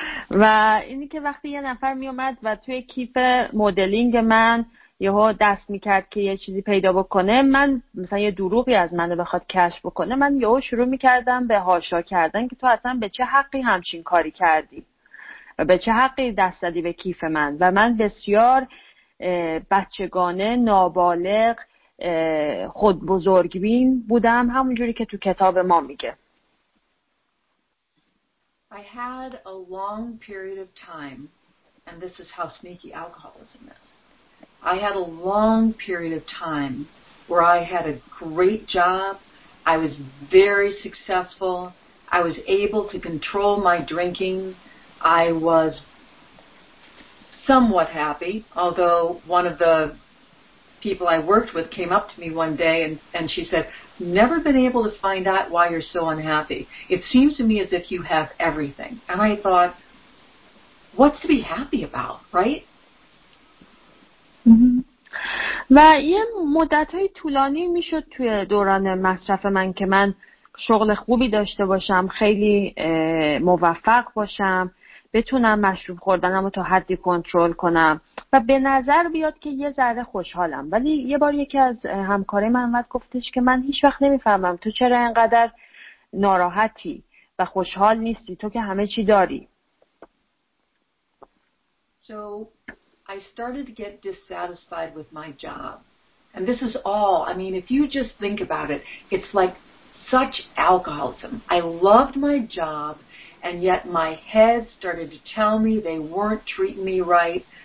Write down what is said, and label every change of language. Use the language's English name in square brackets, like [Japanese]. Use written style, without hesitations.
[Persian] و اینی که وقتی یه نفر می اومد و توی کیف مدلینگ من یهو دست میکرد که یه چیزی پیدا بکنه، من مثلا یه دروغی از منو بخواد کشف بکنه، من یهو شروع میکردم به حاشا کردن که تو اصلا به چه حقی همچین کاری کردی و به چه حقی دست دادی به کیف من. و من بسیار بچگانه، نابالغ، خود بزرگبین بودم، همونجوری که تو کتاب ما میگه. [English] I had a long period of time, and this is how sneaky alcoholism is. I had a long period of time where I had a great job. I was very successful. I was able to control my drinking. I was somewhat happy, although one of the people I worked with came up to me one day and she said, never been able to find out why you're so unhappy. It seems to me as if you have everything. And I thought, what's to be happy about, right? [Persian] و یه مدت‌های طولانی میشد توی دوران مصرف من که من شغل خوبی داشته باشم، خیلی موفق باشم، بتونم مشروب خوردنم رو تا حدی کنترل کنم و به نظر بیاد که یه ذره خوشحالم. ولی یه بار یکی از همکاره من اومد گفتش که من هیچ وقت نمیفهمم تو چرا اینقدر ناراحتی و خوشحال نیستی، تو که همه چی داری. [English] So I started to get dissatisfied with my job. And this is all, I mean, if you just think about it, it's like such alcoholism. I loved my job, and yet my head started to tell me they weren't treating me right.